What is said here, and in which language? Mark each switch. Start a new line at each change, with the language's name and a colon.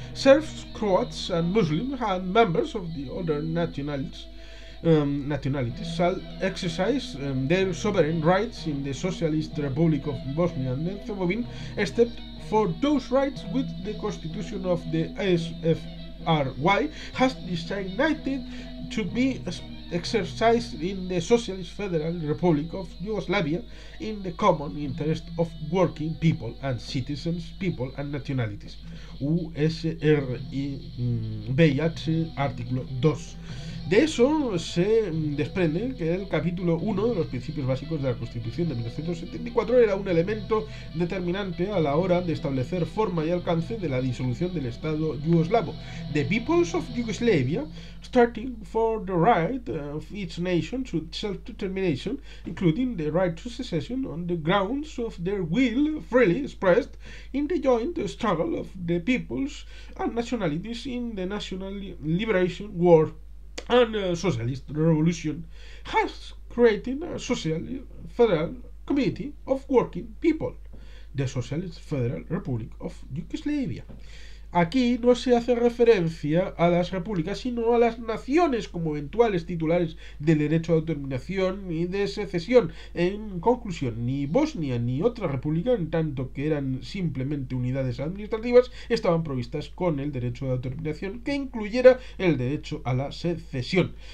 English: Serbs, Croats and Muslims and members of the other nationalities shall exercise their sovereign rights in the Socialist Republic of Bosnia and Herzegovina, except for those rights which the constitution of the SFRY has designated to be exercised in the Socialist Federal Republic of Yugoslavia in the common interest of working people and citizens, people and nationalities.
Spanish: USRBIH, artículo 2. De eso se desprende que el capítulo 1 de los principios básicos de la Constitución de 1974 era un elemento determinante a la hora de establecer forma y alcance de la disolución del Estado yugoslavo.
English: The peoples of Yugoslavia, starting for the right of each nation to self-determination, including the right to secession on the grounds of their will freely expressed in the joint struggle of the peoples and nationalities in the National Liberation War and Socialist Revolution, has created a Social Federal Community of Working People, the Socialist Federal Republic of Yugoslavia.
Spanish: Aquí no se hace referencia a las repúblicas, sino a las naciones como eventuales titulares del derecho de autodeterminación y de secesión. En conclusión, ni Bosnia ni otra república, en tanto que eran simplemente unidades administrativas, estaban provistas con el derecho de autodeterminación que incluyera el derecho a la secesión.